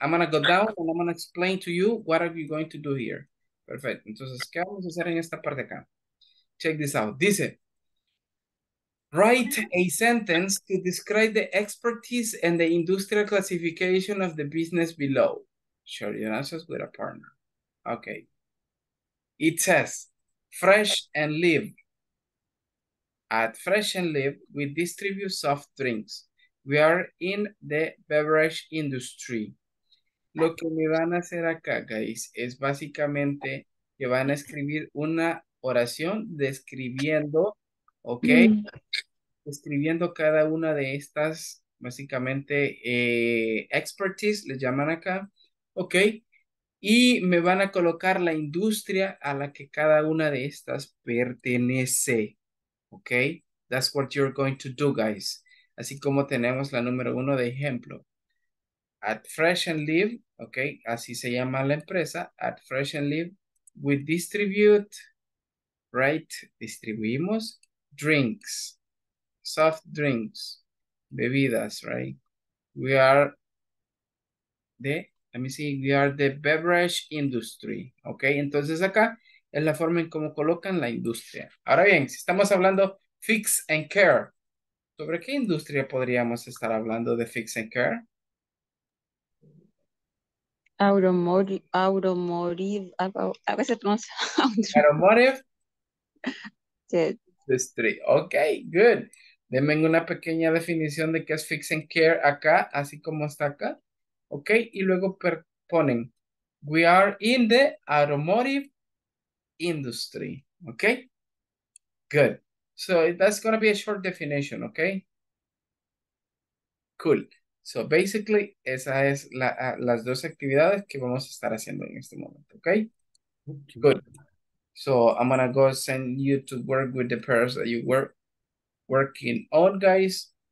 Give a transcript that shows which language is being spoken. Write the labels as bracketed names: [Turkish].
[English] I'm going to go down and I'm going to explain to you what are you going to do here. Perfect. [Spanish] Entonces, ¿qué vamos a hacer en esta parte acá? [English] Check this out. Dice, write a sentence to describe the expertise and the industrial classification of the business below. Share your answers with a partner. Okay. It says, fresh and live. At fresh and live, we distribute soft drinks. We are in the beverage industry. [Spanish] Lo que me van a hacer acá, guys, es básicamente que van a escribir una oración describiendo, ¿ok? Mm. Describiendo cada una de estas, básicamente, expertise, le llaman acá, ¿ok? Y me van a colocar la industria a la que cada una de estas pertenece, ¿ok? [English] That's what you're going to do, guys. [Spanish] Así como tenemos la número uno de ejemplo. At Fresh and Live, ok, así se llama la empresa. [English] At Fresh and Live, we distribute, right, [Spanish] distribuimos [English] drinks, soft drinks, [Spanish] bebidas, [English] right? We are the, let me see, we are the beverage industry, ok? [Spanish] Entonces acá es la forma en cómo colocan la industria. Ahora bien, si estamos hablando fix and care, ¿sobre qué industria podríamos estar hablando de fix and care? [English] Automotive. Industry. [Spanish] Ok, good. Denme una pequeña definición de qué es fix and care acá, así como está acá. [English] Ok, [Spanish] y luego ponen, [English] we are in the automotive industry. Ok, good. So that's going to be a short definition, okay? Cool. So basically, [Spanish] esa es las dos actividades que vamos a estar haciendo en este momento, okay? [English] Good. So I'm going to go send you to work with the pairs that you were working on, guys.